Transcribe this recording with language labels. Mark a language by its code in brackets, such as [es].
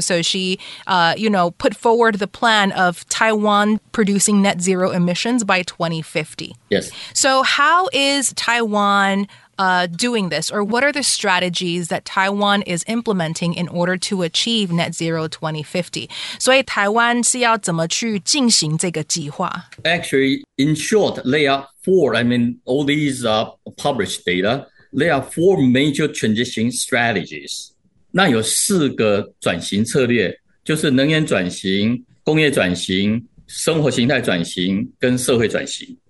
[en] So she, put forward the plan of Taiwan producing net zero emissions by 2050. Yes. So how is Taiwan doing this? Or what are the strategies that Taiwan is implementing in order to achieve net zero 2050? [zh] 所以台湾是要怎么去进行这个计划? [en] Actually, in short, there are four, all these published data, there are four major transition strategies. [zh] 那有四个转型策略,就是能源转型、工业转型、生活形态转型跟社会转型。